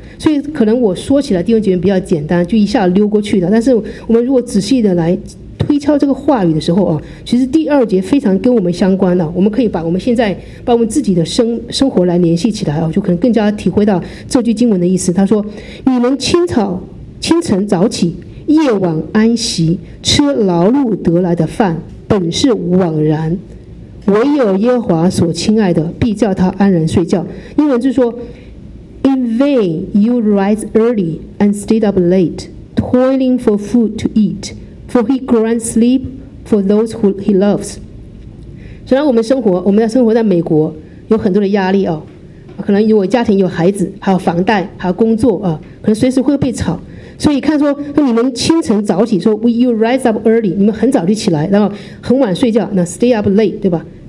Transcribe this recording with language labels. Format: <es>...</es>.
<zh>所以可能我说起来弟兄姐妹比较简单，就一下溜过去的，但是我们如果仔细的来推敲这个话语的时候啊，其实第二节非常跟我们相关的，我们可以把我们现在把我们自己的生活来联系起来啊，就可能更加体会到这句经文的意思。他说你们清晨早起，夜晚安息，吃劳碌得来的饭，本是枉然。唯有耶和华所亲爱的，必叫他安然睡觉。英文就是说</zh> <en>In vain you rise early and stay up late, toiling for food to eat, for he grants sleep for those who he loves.</en> <zh>虽然我们要生活在美国，有很多的压力，可能如果家庭有孩子，还有房贷，还有工作，可能随时会被吵。所以看说你们清晨早起，说</zh> <en>you rise up early，</en> <zh>你们很早就起来，然后很晚睡觉，那</zh> <en>stay up late，</en> <zh>对吧？</zh>